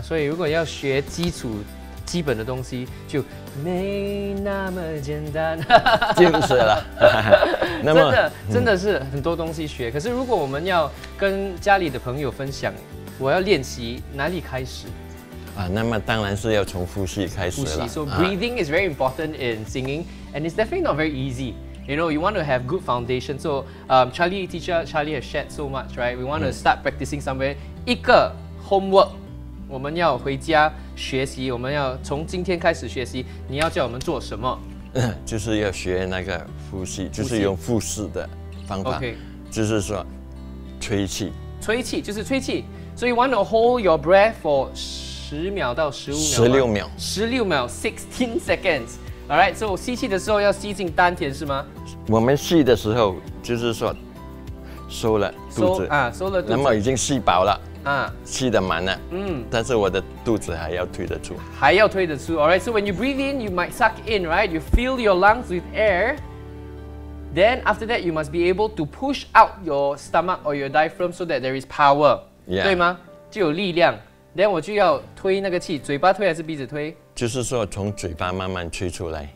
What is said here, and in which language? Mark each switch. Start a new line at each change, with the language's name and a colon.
Chinese: 所以如果要学基础基本的东西就没那么简单，就是了。那么真的是很多东西学。可是如果我们要跟家里的朋友分享，我要练习哪里开始？啊，那么当然是要从呼吸开始了。
English: So breathing is very important in singing, and it's definitely not very easy. You know, you want to have good foundation. So, Charlie teacher Charlie has shared so much, right? We want to start practicing somewhere.
Chinese: 一个 homework. 我们要回家学习，我们要从今天开始学习，你要叫我们做什么？就是要学那个呼吸，就是用腹式的方法、
English: okay.
Chinese: 就是说吹气，吹气就是吹气，所以
English: you want to hold your breath for
Chinese: 10秒到15秒， 16秒， 16秒
English: 16 seconds. Alright, so
Chinese: 吸气的时候要吸进丹田是吗？我们吸的时候就是说收了肚子，收了肚子，那么已经吸饱了吸得满了，但是我的肚子还要推得出，还要推得出。
English: Alright, so when you breathe in, you might suck in, right? You fill your lungs with air. Then after that, you must be able to push out your stomach or your diaphragm so that there is power、 yeah.
Chinese: 对吗？就有力量。Then 我就要推那个气，嘴巴推还是鼻子推？就是说从嘴巴慢慢吹出来。